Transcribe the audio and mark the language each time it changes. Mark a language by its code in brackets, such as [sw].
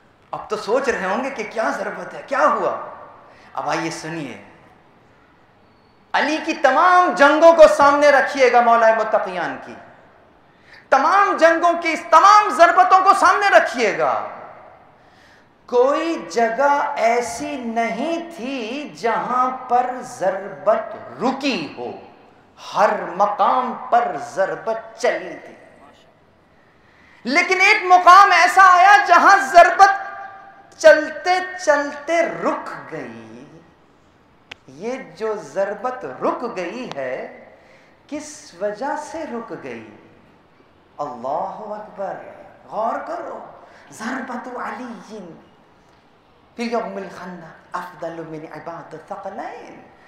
[ur] اب تو سوچ رہے ہوں گے کہ کیا ضربت ہے, کیا ہوا. اب آئیے سنیے, علی کی تمام جنگوں کو سامنے رکھیے گا, مولا متقیان کی تمام جنگوں کی اس تمام ضربتوں کو سامنے رکھیے گا. کوئی جگہ ایسی نہیں تھی جہاں پر ضربت رکی ہو, ہر مقام پر ضربت چلی تھی. لیکن ایک مقام ایسا آیا جہاں ضربت چلتے چلتے رک گئی. یہ جو ضربت رک گئی ہے کس وجہ سے رک گئی؟ اللہ اکبر, غور کرو. [ar] ضربت علی فی یوم الخندق افضل من عباد الثقلین.